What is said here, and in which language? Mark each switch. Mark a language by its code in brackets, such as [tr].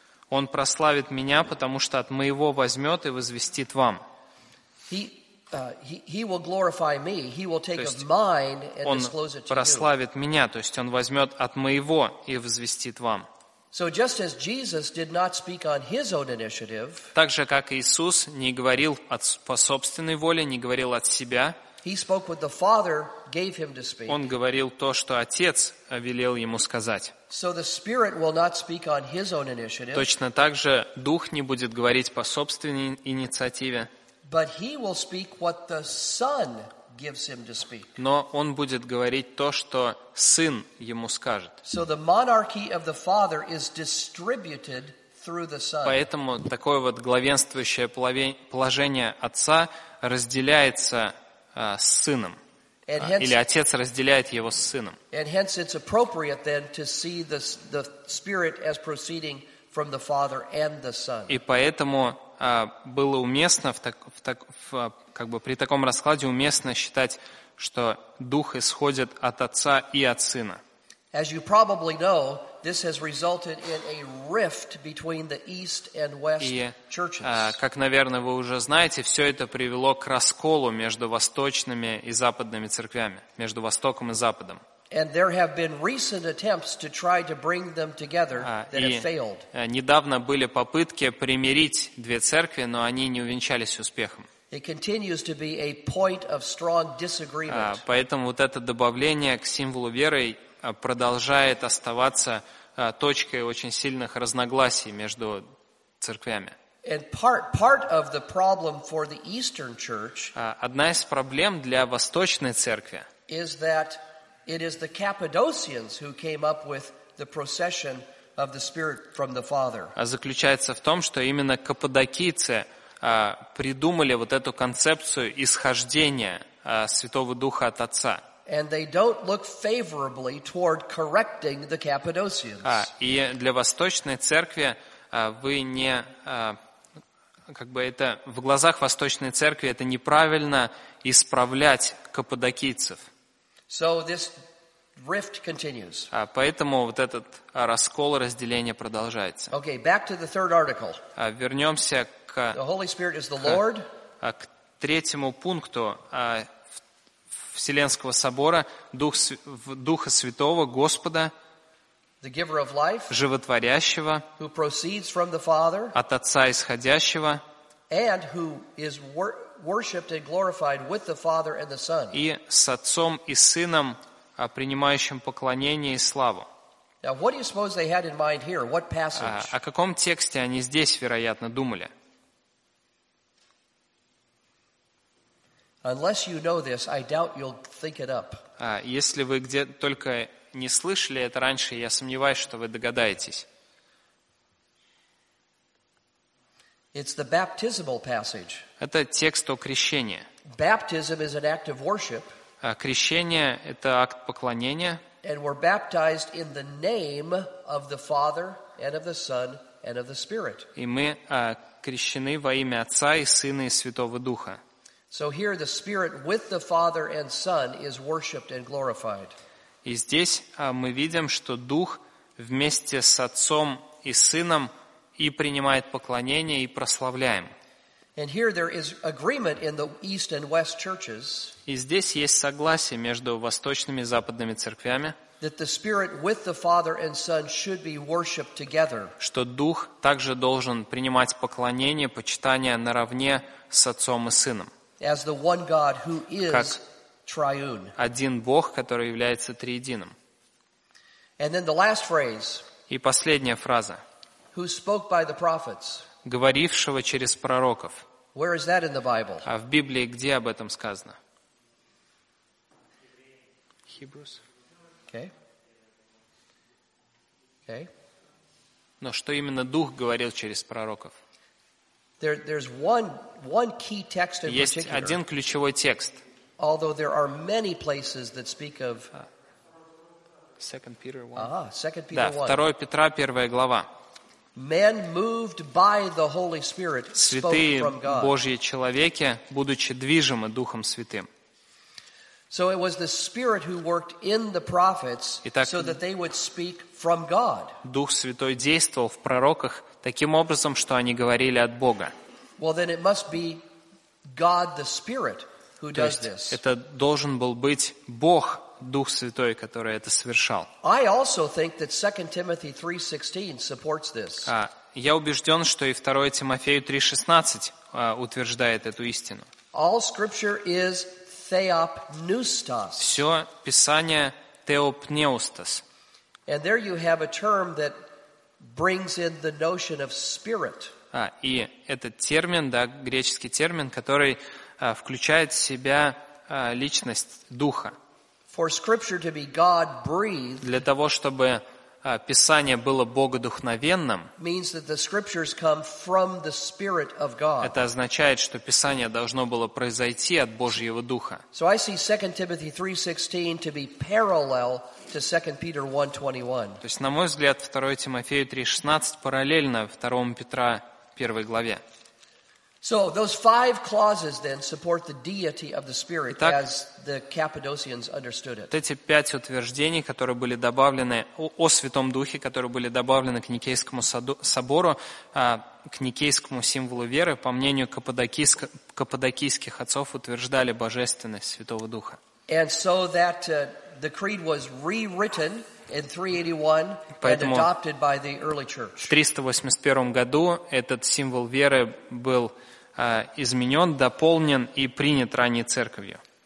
[ru] Он прославит меня, потому что от моего возьмет и возвестит вам. [en] He will glorify me. He will take of mine and disclose it to you. [ru] Он прославит меня, то есть он возьмет от моего и возвестит вам. [en] So just as Jesus did not speak on His own initiative, [ru] так же как Иисус не говорил по собственной воле, не говорил от себя. [en] He spoke what the Father gave him to speak. [ru] Он говорил то, что Отец велел ему сказать. [en] So the Spirit will not speak on His own initiative. [ru] Точно так же Дух не будет говорить по собственной инициативе. [en] But He will speak what the Son gives Him to speak. [ru] Но Он будет говорить то, что Сын Ему скажет. [en] So the monarchy of the Father is distributed through the Son. [ru] Поэтому такое вот главенствующее положение Отца разделяется с Сыном. Или Отец разделяет Его с Сыном. [en] And hence it's appropriate then to see the Spirit as proceeding from the Father and the Son. [ru] И поэтому было уместно как бы при таком раскладе уместно считать, что Дух исходит от Отца и от Сына. [en] As you probably know, this has resulted in a rift between the East and West churches. [ru] Как, наверное, вы уже знаете, все это привело к расколу между восточными и западными церквями, между Востоком и Западом. [en] And there have been recent attempts to try to bring them together that have failed. [ru] Недавно были попытки примирить две церкви, но они не увенчались успехом. [en] It continues to be a point of strong disagreement. [ru] Поэтому вот это добавление к символу веры продолжает оставаться точкой очень сильных разногласий между церквями. [en] And part of the problem for the Eastern Church. [ru] Одна из проблем для Восточной церкви. [en] Is that it is the Cappadocians who came up with the procession of the Spirit from the Father. [ru] Заключается в том, что именно каппадокийцы придумали вот эту концепцию исхождения Святого Духа от Отца. [en] And they don't look favorably toward correcting the Cappadocians. [ru] И для Восточной Церкви вы не, как бы это, в глазах Восточной Церкви это неправильно исправлять каппадокийцев. [en] So this rift continues. [ru] Поэтому вот этот раскол, разделение продолжается. [en] Okay, back to the third article. [ru] Вернемся к... [en] The Holy Spirit is the Lord. [ru] К третьему пункту Вселенского Собора, Духа Святого, Господа, [en] the giver of life, [ru] Животворящего, [en] who proceeds from the Father, [ru] от Отца Исходящего, [en] and who is worshipped and glorified with the Father and the Son. [ru] И с Отцом и Сыном, принимающим поклонение и славу. [en] Now, what do you suppose they had in mind here? What passage? [ru] О каком тексте они здесь, вероятно, думали? [en] Unless you know this, I doubt you'll think it up. [ru] Если вы где только не слышали это раньше, я сомневаюсь, что вы догадаетесь. [en] It's the baptismal passage. [ru] Это текст о крещении. [en] Baptism is an act of worship. [ru] Крещение — это акт поклонения. [en] And we're baptized in the name of the Father and of the Son and of the Spirit. [ru] И мы крещены во имя Отца и Сына и Святого Духа. [en] So here the Spirit with the Father and Son is worshipped and glorified. [ru] И здесь мы видим, что Дух вместе с Отцом и Сыном и принимает поклонение, и прославляем. [en] And here there is agreement in the East and West churches. [ru] И здесь есть согласие между восточными и западными церквями. [en] That the Spirit with the Father and Son should be worshipped together. [ru] Что Дух также должен принимать поклонение, почитание наравне с Отцом и Сыном. [en] As the one God who is triune. [ru] Один Бог, который является триединым. [en] And then the last phrase. [ru] И последняя фраза. [en] Who spoke by the prophets? [ru] Говорившего через пророков. [en] Where is that in the Bible? [ru] А в Библии где об этом сказано? [en] Hebrews. Okay. Okay. [ru] Но что именно Дух говорил через пророков? [en] There's one key text in particular. [ru] Есть один ключевой текст. [en] Although there are many places that speak of 2 Peter 1. [ru] Ага, [en] 2 Peter 1. [ru] Да, 2 Петра, 1 глава. [en] Men moved by the Holy Spirit spoke from God. [ru] Святые Божьи человеки, будучи движимы Духом Святым. [en] So it was the Spirit who worked in the prophets so that they would speak from God. [ru] Дух Святой действовал в пророках таким образом, что они говорили от Бога. [en] Well, then it must be God the Spirit who does this. [ru] Это должен был быть Бог, Дух Святой, который это совершал. [en] I also think that 2 Timothy 3:16 supports this. [ru] Я убежден, что и 2 Тимофею 3:16 утверждает эту истину. [en] All scripture is theopneustos. [ru] Все Писание теопнеустос. [en] And there you have a term that brings in the notion of spirit. [ru] И этот термин, да, греческий термин, который включает в себя личность Духа. [en] For scripture to be God-breathed, [ru] для того, чтобы Писание было богодухновенным, [en] means that the scriptures come from the Spirit of God. [ru] Это означает, что Писание должно было произойти от Божьего Духа. [en] So I see 2 Timothy 3:16 to be parallel to 2 Peter 1:21. [ru] То есть, на мой взгляд, 2 Тимофею 3:16 параллельно 2 Петра 1 главе. [en] So those five clauses then support the deity of the Spirit [ru] Итак, [en] as the Cappadocians understood it. [ru] Вот эти пять утверждений, которые были добавлены о Святом Духе, которые были добавлены к Никейскому собору, к Никейскому символу веры, по мнению каппадокийских отцов, утверждали божественность Святого Духа. [en] And so that the creed was rewritten in 381 [ru] Поэтому [en] and adopted by the early church. [ru] В 381 году этот символ веры был изменен, дополнен и принят ранней церковью.